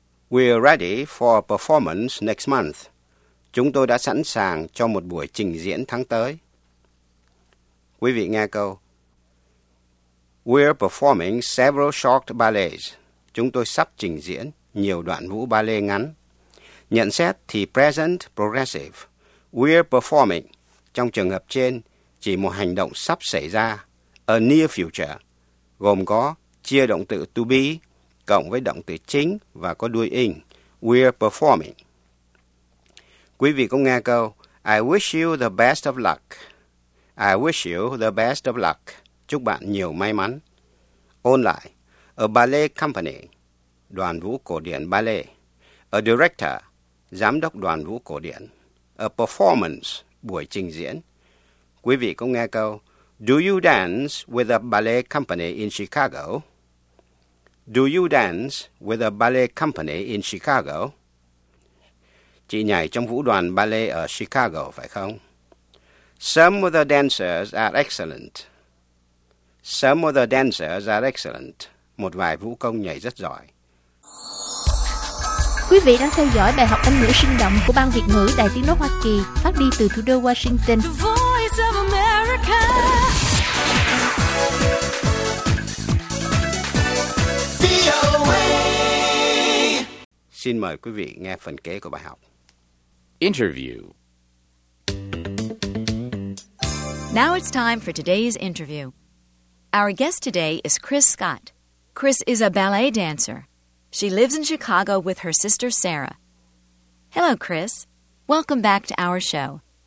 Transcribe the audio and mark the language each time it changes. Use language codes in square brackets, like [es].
[en] We're ready for a performance next month. [vi] Chúng tôi đã sẵn sàng cho một buổi trình diễn tháng tới. Quý vị nghe câu [en] We're performing several short ballets. [vi] Chúng tôi sắp trình diễn nhiều đoạn vũ ballet ngắn. Nhận xét thì present progressive. [en] We're performing. [vi] Trong trường hợp trên, chỉ một hành động sắp xảy ra, [en] a near future, [vi] gồm có chia động từ to be cộng với động từ chính và có đuôi ing, [en] we're performing. [vi] Quý vị có nghe câu [en] I wish you the best of luck. I wish you the best of luck. [vi] Chúc bạn nhiều may mắn. Ôn lại, a ballet company, đoàn vũ cổ điển ballet, a director, giám đốc đoàn vũ cổ điển, a performance, buổi trình diễn. Quý vị có nghe câu [en] Do you dance with a ballet company in Chicago? Do you dance with a ballet company in Chicago? [vi] Chị nhảy trong vũ đoàn ballet ở Chicago, phải không? [en] Some of the dancers are excellent. Some of the dancers are excellent. [vi] Một vài vũ công nhảy rất giỏi. Quý vị đang theo dõi bài học Anh ngữ sinh động của Ban Việt ngữ Đài Tiếng nói Hoa Kỳ phát đi từ thủ đô Washington. [en] The Voice of America. [vi] Xin mời quý vị nghe phần kế của bài học. [en] Interview. Now it's time for today's interview. Our guest today is Chris Scott. Chris is a ballet dancer. She lives in Chicago with her sister, Sarah. Hello, Chris. Welcome back to our show.